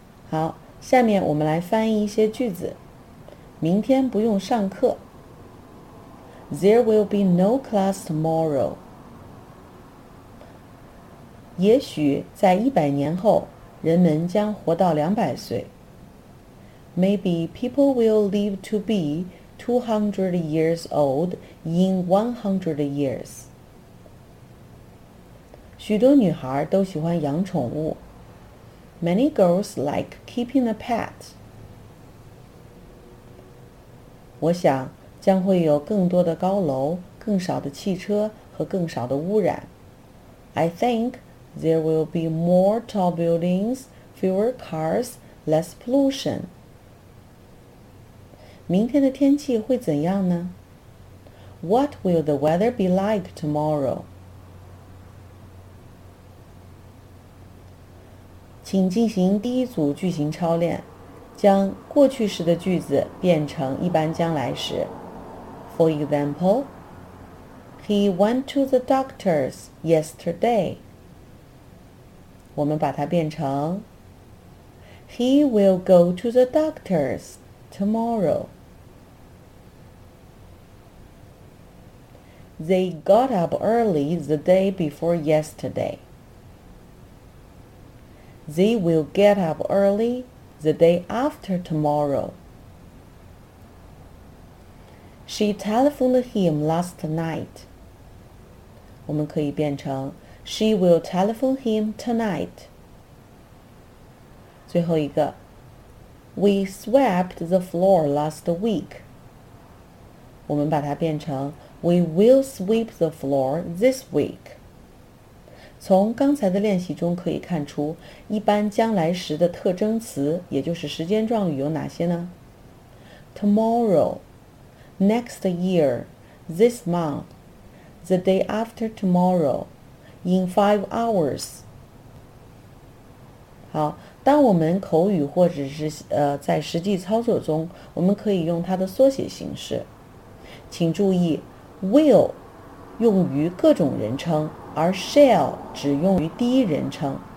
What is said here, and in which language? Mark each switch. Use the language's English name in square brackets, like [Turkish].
[Chinese] 好，下面我们来翻译一些句子。明天不用上课。 [English] There will be no class tomorrow. [Chinese] 也许在100年后，人们将活到200岁。 [English] Maybe people will live to be 200 years old in 100 years. [Chinese] 许多女孩都喜欢养宠物。 [English] Many girls like keeping a pet. [Chinese] 我想将会有更多的高楼、更少的汽车和更少的污染。 [English] I think there will be more tall buildings, fewer cars, less pollution. [Chinese] 明天的天气会怎样呢？ [English] What will the weather be like tomorrow? [Chinese] 请进行第一组句型操练，将过去式的句子变成一般将来时。 [English] For example, he went to the doctor's yesterday. [Chinese] 我们把它变成 [English] He will go to the doctor's tomorrow. They got up early the day before yesterday. They will get up early the day after tomorrow. She telephoned him last night. [Chinese] 我们可以变成 [English] She will telephone him tonight. [Chinese] 最后一个 [English] We swept the floor last week. [Chinese] 我们把它变成 [English] We will sweep the floor this week. [Chinese] 从刚才的练习中可以看出，一般将来时的特征词，也就是时间状语有哪些呢？ [English] Tomorrow, next year, this month, the day after tomorrow, in 5 hours. [Chinese] 好，当我们口语或者是在实际操作中，我们可以用它的缩写形式。请注意Will 用于各种人称，而 shall 只用于第一人称。